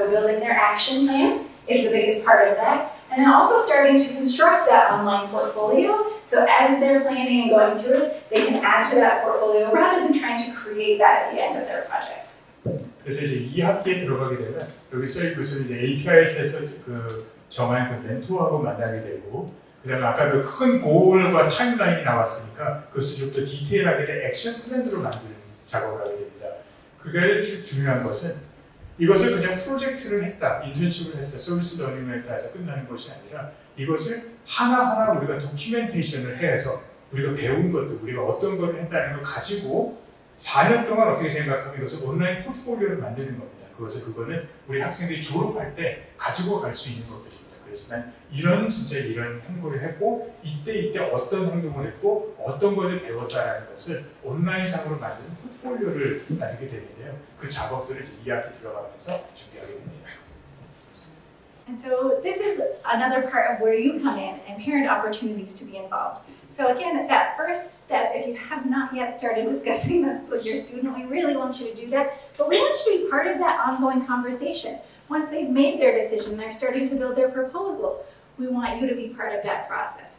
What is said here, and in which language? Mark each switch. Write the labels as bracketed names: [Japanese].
[English] So building their action plan is the biggest part of that. And then also starting to construct that online portfolio. So as they're planning and going through it, they can add to that portfolio rather than trying to create that at the end of their project. [Korean] 그래서 이제 이 학기에 들어가게 되면 여기 써 있고 있으면 이제 APIS에서 그 정한 그 멘토하고 만나게 되고 그다음에 아까 그 큰 골과 타임라인이 나왔으니까 그것을 좀 더 디테일하게 된 액션 플랜으로 만드는 작업을 하게 됩니다. 그게 중요한 것은 이것을 그냥 프로젝트를 했다, 인턴십을 했다, 서비스 러닝을 했다 해서 끝나는 것이 아니라 이것을 하나하나 우리가 도큐멘테이션을 해서 우리가 배운 것들, 우리가 어떤 걸 했다는 걸 가지고 4년 동안 어떻게 생각하면 이것을 온라인 포트폴리오를 만드는 겁니다. 그것을 그거는 우리 학생들이 졸업할 때 가지고 갈 수 있는 것들입니다. 그래서 난 이런 진짜 이런 행보를 했고 이때 이때 어떤 행동을 했고 어떤 것을 배웠다라는 것을 온라인상으로 만드는 포트폴리오를 만들게 되는데요. 그 작업들을 이제 2학기 들어가면서 준비하게 됩니다. [English] And so this is another part of where you come in and parent opportunities to be involved. So again, that first step, if you have not yet started discussing this with your student, we really want you to do that. But we want you to be part of that ongoing conversation. Once they've made their decision, they're starting to build their proposal, we want you to be part of that process.